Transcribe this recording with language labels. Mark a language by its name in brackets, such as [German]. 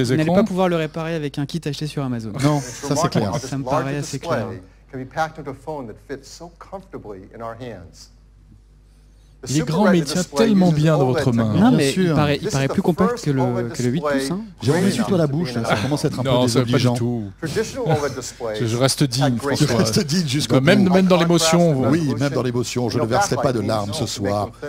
[French] vous n'allez pas pouvoir le réparer avec un kit acheté sur Amazon. Non, ça c'est clair. Ça me paraît assez clair. [English] Can be packed into a phone that fits so comfortably in our hands. [French] Il est grand, mais il tient tellement bien dans votre main. Non, mais il paraît plus compact que le 8 Plus. Hein. J'ai envie de suivre toi la bouche, là. Ça commence à être un peu désobligeant. Non, pas du tout. Je reste digne, François. Je reste digne jusqu'au bout. Même dans l'émotion. Oui, même dans l'émotion. Je ne verserai pas de larmes ce soir.